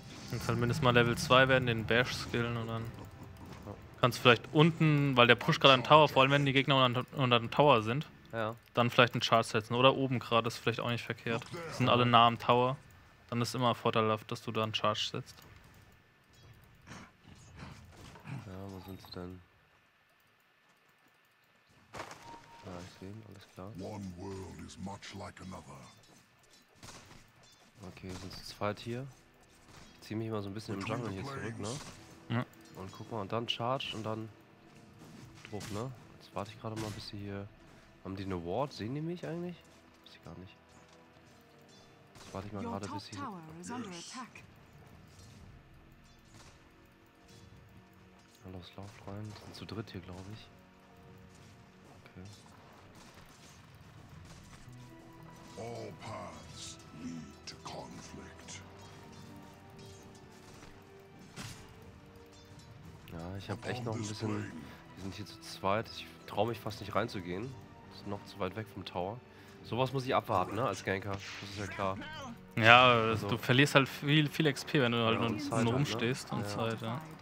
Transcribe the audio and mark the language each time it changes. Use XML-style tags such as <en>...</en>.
<de>Dann kann mindestens mal Level 2 werden, den Bash skillen und dann. Kannst vielleicht unten, weil der pusht gerade einen Tower, vor allem wenn die Gegner unter dem Tower sind, dann vielleicht einen Charge setzen. Oder oben gerade, ist vielleicht auch nicht verkehrt. Sind alle nah am Tower, dann ist immer vorteilhaft, dass du da einen Charge setzt. Ja, wo sind sie denn? Ja, ich sehe ihn, alles klar.</de> <en>One world is much like another.</en> <de>Okay, sind sie zweit hier. Ich ziehe mich mal so ein bisschen im Jungle hier zurück, ne? Ja. Und guck mal, und dann Charge und dann Druck, ne? Jetzt warte ich gerade mal, bis sie hier. Haben die eine Ward? Sehen die mich eigentlich? Weiß ich gar nicht. Das warte ich mal gerade, bis hier. Hallo, Slaufreund. Sind zu dritt hier, glaube ich. Okay.</de> <en>All paths lead to conflict.</en> <de>Ja, ich habe echt noch ein bisschen. Wir sind hier zu zweit. Ich traue mich fast nicht reinzugehen. Ist noch zu weit weg vom Tower. Sowas muss ich abwarten, ne, als Ganker. Das ist ja klar. Ja, also, du verlierst halt viel, viel XP, wenn du halt nur rumstehst und Zeit, ja.</de>